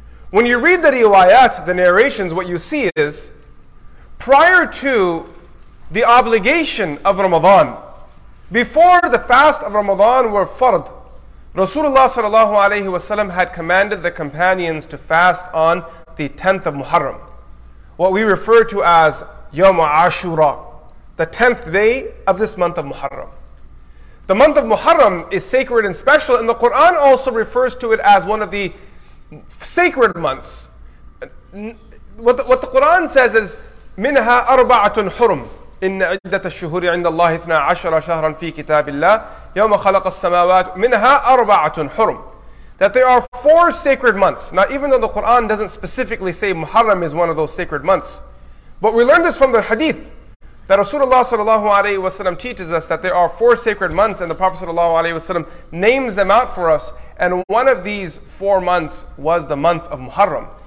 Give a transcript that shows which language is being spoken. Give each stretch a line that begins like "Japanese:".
English: When you read the riwayat, the narrations, what you see is, prior to the obligation of Ramadan, before the fast of Ramadan were fard, Rasulullah sallallahu alayhi wa sallam had commanded the companions to fast on the 10th of Muharram, what we refer to as Yawm Ashura, the 10th day of this month of Muharram. The month of Muharram is sacred and special, and the Quran also refers to it as one of the sacred months. What the Quran says is,
Arabic: مِنْهَا أَرْبَعَةٌ حُرُمٌ إِنَّ عِدَّةَ الشُّهُورِ عِنْدَ اللَّهِ 12 شَهْرًا فِي كِتَابِ اللَّهِ يَوْمَ خَلَقَ السَّمَاوَاتِ مِنْهَا أَرْبَعَةٌ حُرُمٌ.
English: That there are four sacred months. Now, even though the Quran doesn't specifically say Muharram is one of those sacred months, but we learn this from the hadith that Rasulullah sallallahu alayhi wa sallam teaches us that there are four sacred months, and the Prophet sallallahu alayhi wa sallam names them out for us, and one of these four months was the month of Muharram.